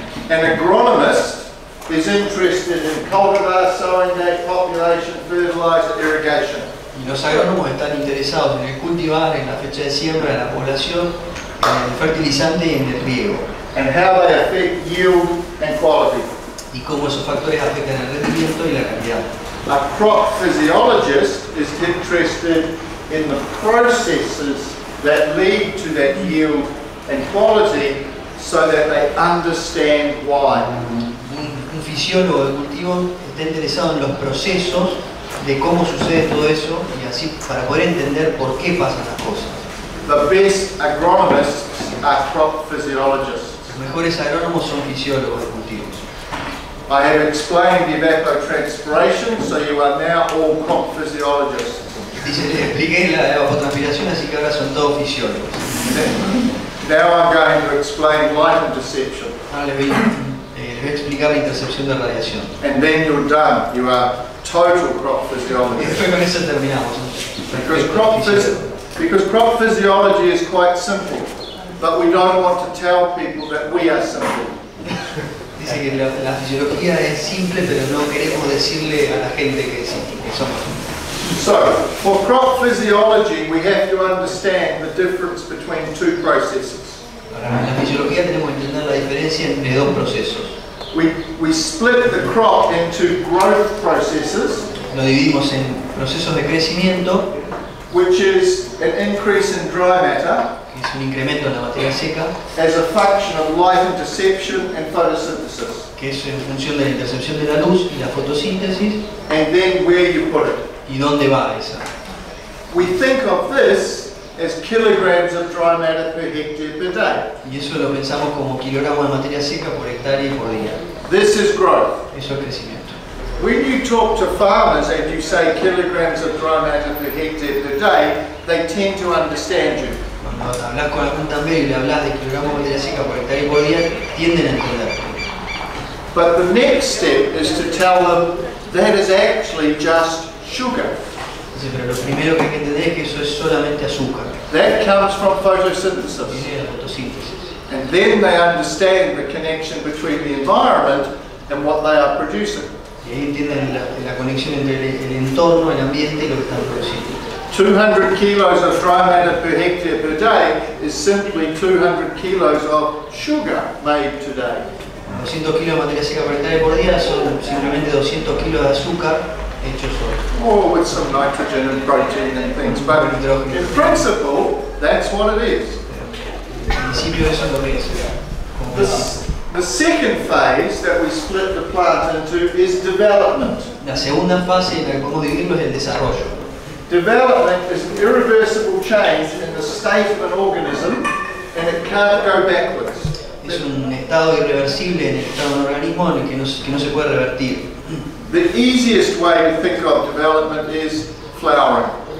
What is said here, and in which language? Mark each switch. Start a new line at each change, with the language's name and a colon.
English: An agronomist is interested in cultivar, sowing date, population, fertilizer, irrigation.
Spanish: Y los agrónomos están interesados en el cultivar, en la fecha de siembra, en la población, en el fertilizante y en el riego.
English: And how they affect yield and quality.
Spanish: Y cómo esos factores afectan el rendimiento y la calidad.
English: A crop physiologist is interested in the processes that lead to that yield and quality so that they understand why.
Spanish: Un fisiólogo de cultivo está interesado en los procesos de cómo sucede todo eso y así para poder entender por qué pasan las cosas.
English: The best agronomists are crop physiologists.
Spanish: Los mejores agrónomos son fisiólogos de cultivos.
English: I have explained the evapotranspiration, so you are now all crop physiologists.
Spanish: Dice, le expliqué la evapotranspiración, así que ahora son todos fisiólogos.
English: Now I'm going to explain light interception.
Spanish: Ahora le voy a explicar la intercepción de radiación.
English: And then you're done. You are total crop physiologist.
Spanish: Y después con eso terminamos.
English: Because crop physiology is quite simple, but we don't want to tell people that we are simple.
Spanish: Dice que la fisiología es simple, pero no queremos decirle a la gente que es simple, que somos simples.
English: So, for crop physiology, we have to understand the difference between two processes.
Spanish: Para la fisiología tenemos que entender la diferencia entre dos procesos.
English: We split the crop into growth processes.
Spanish: Lo dividimos en procesos de crecimiento,
English: which is an increase in dry matter,
Spanish: que es un incremento en la materia seca,
English: as a function of light interception and photosynthesis,
Spanish: que es en función de la intercepción de la luz y la fotosíntesis,
English: and then where you put it.
Spanish: ¿Y dónde va esa?
English: We think of this as kilograms of dry matter per hectare per day.
Spanish: Y eso lo pensamos como kilogramos de materia seca por hectárea y por día.
English: This is growth.
Spanish: Eso es crecimiento.
English: When you talk to farmers and you say kilograms of dry matter per hectare per day, they tend to understand you.
Spanish: Cuando hablas con algún tambero y le hablas de kilogramos de materia seca por hectárea y por día, tienden a entender.
English: But the next step is to tell them that is actually just sugar.
Spanish: Sí, pero lo primero que hay que entender es que eso es solamente azúcar.
English: That comes from photosynthesis.
Spanish: Viene de la fotosíntesis.
English: And then they understand the connection between the environment and what they are producing.
Spanish: Y ahí entienden la conexión entre el entorno, el ambiente y lo que están produciendo.
English: 200 kilos of dry matter per hectare per day is simply 200 kilos of sugar made today.
Spanish: 200 kilos de materia seca
English: per hectare
Spanish: por día son simplemente 200 kilos de azúcar hechos hoy.
English: Oh, with some nitrogen and protein and things, but in principle, that's what it is. The second phase that we split the plant into is development.
Spanish: La segunda fase en la que podemos dividirlo es el desarrollo.
English: Development is an irreversible change in the state of an organism, and it can't go backwards.
Spanish: Es un estado irreversible en el estado de un organismo en el que no se puede revertir.
English: The easiest way to think of development is flowering.